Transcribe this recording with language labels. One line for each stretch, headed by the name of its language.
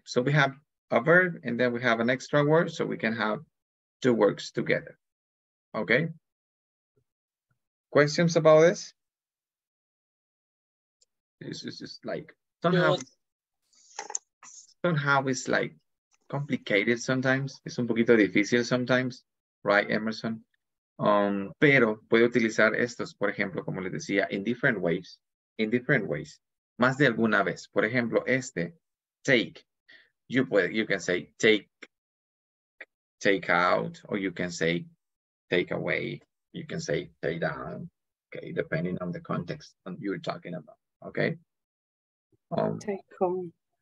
English: So we have a verb and then we have an extra word so we can have two words together. Okay? Questions about this? This is just like, somehow it's like complicated sometimes.
Spanish: Es un poquito difícil
English: sometimes, right, Emerson?
Spanish: Pero puede utilizar estos, por ejemplo, como les decía,
English: in different ways,
Spanish: más de alguna vez. Por ejemplo, este,
English: take, you can say take out, or you can say take away, you can say take down, okay, depending on the context you're talking about, okay? Take home.